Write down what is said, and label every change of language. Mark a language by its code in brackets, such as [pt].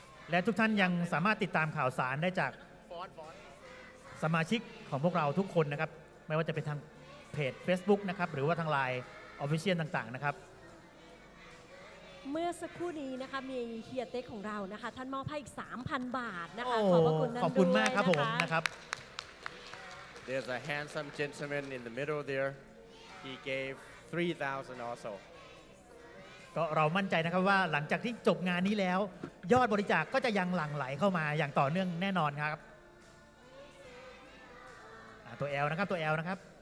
[th] และทุกท่านยังสามารถติดตามข่าวสารได้จากสมาชิกของพวกเราทุกคนนะครับไม่ว่าจะเป็นทางเพจ Facebook นะครับหรือว่าทาง LINE Official ต่างๆนะครับ เมื่อสักครู่นี้นะคะมีเฮียเต็กของเรานะคะท่านมอบให้อีก 3,000 บาทนะคะขอบคุณ มากครับ ผมนะครับ [en] There's a handsome gentleman in the middle there he gave 3,000 also [th] ก็เรามั่นใจนะครับว่าหลังจากที่จบงานนี้แล้วยอดบริจาคก็จะยังหลั่งไหลเข้ามาอย่างต่อเนื่องแน่นอนครับตัวแอลนะครับตัวแอลนะครับ